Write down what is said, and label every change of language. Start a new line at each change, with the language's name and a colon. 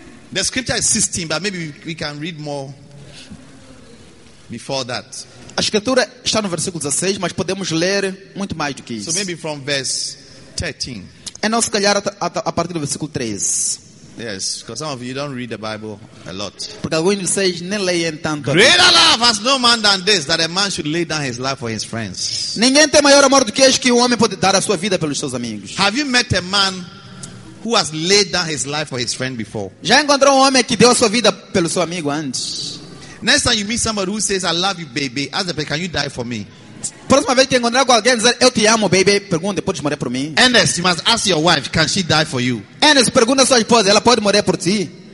English: The scripture is 16, but maybe we can read more before that.
Portuguese: A escritura está no versículo 16, mas podemos ler muito mais do que isso.
English: So maybe from verse 13.
Portuguese: É não, se calhar a partir do versículo 13.
English: Yes, because some of you don't read the Bible a lot.
Portuguese: Porque alguns de vocês nem leem tanto.
English: Greater love has no man than this, that a man should lay down his life for his friends.
Portuguese: Ninguém tem maior amor do que este, que um homem pode dar a sua vida pelos seus amigos.
English: Have you met a man who has laid down his life for his friend before?
Portuguese: Já encontrou homem que deu a sua vida pelo seu amigo antes?
English: Next time you meet somebody who says, I love you, baby, ask them, can you die for me?
Portuguese: Próxima vez que encontrar com alguém dizer, eu te amo, baby, pergunta, pode morrer por mim?
English: Ernest, you must ask your wife, can she die for you?
Portuguese: Ernest, pergunta sua esposa, ela pode morrer por ti?